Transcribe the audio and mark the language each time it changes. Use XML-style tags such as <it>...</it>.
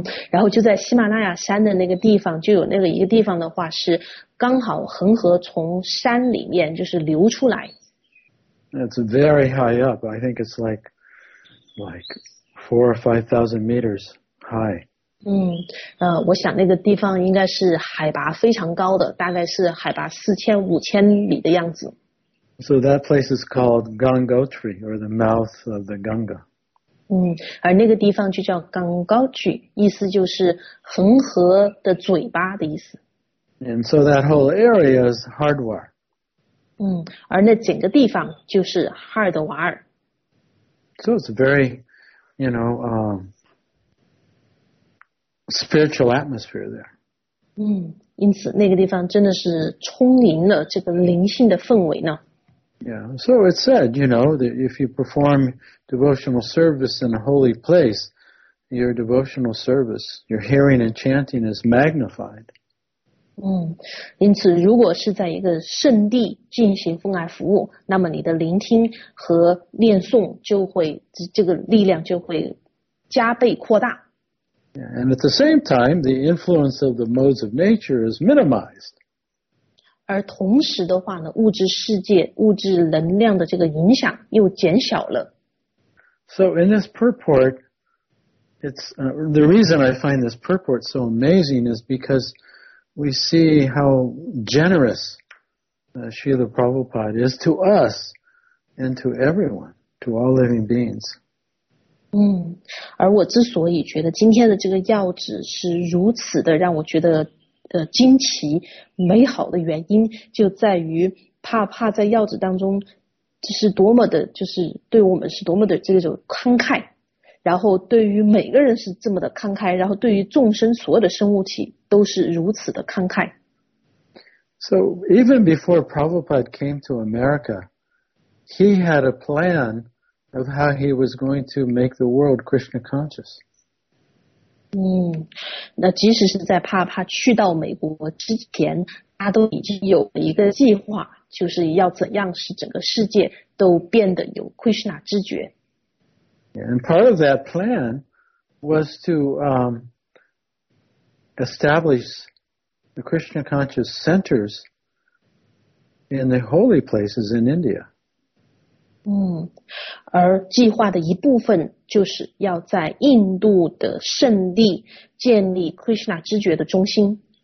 <zh>然后就在喜马拉雅山的那个地方，就有那个一个地方的话，是刚好恒河从山里面就是流出来。</zh> <en>It's very high up. I think it's like 4 or 5 thousand meters high.</en> <zh>我想那个地方应该是海拔非常高的，大概是海拔4000-5000米的样子。</zh> <en>So that place is called Gangotri, or the mouth of the Ganga.</en> <zh>而那个地方就叫 Gangotri, 意思就是恒河的嘴巴的意思。</zh> <en>And so that whole area is Hardwar.</en> <zh>而那整个地方就是哈尔德瓦尔。</zh> <en>So it's a very, spiritual atmosphere there.</en> <zh>因此那个地方真的是充盈了这个灵性的氛围呢。</zh> <en>Yeah, so it said, that if you perform devotional service in a holy place, your devotional service, your hearing and chanting is magnified.</en> <zh>因此如果是在一个圣地进行奉爱服务，那么你的聆听和念诵就会，这个力量就会加倍扩大。</zh> <en>Yeah, and at the same time, the influence of the modes of nature is minimized.</en> <zh>而同时的话呢，物质世界、物质能量的这个影响又减小了。</zh> <en>So in this purport, the reason I find this purport so amazing is because we see how generous Srila Prabhupada is to us and to everyone, to all living beings.</en> <zh>而我之所以觉得今天的这个要旨是如此的让我觉得惊奇美好的原因就在于怕在要旨当中这是多么的就是对我们是多么的这种慷慨，然后对于每个人是这么的慷慨，然后对于众生所有的生物体都是如此的慷慨。</zh> <en>So even before Prabhupada came to America, he had a plan of how he was going to make the world Krishna conscious.</en> <zh>那即使是在帕去到美国之前，他都已经有了一个计划，就是要怎样使整个世界都变得有 Krishna 知觉。</zh> <en>And part of that plan was to establish the Krishna conscious centers in the holy places in India.</en> <zh>而计划的一部分就是要在印度的圣地建立 Krishna 知觉的中心。</zh>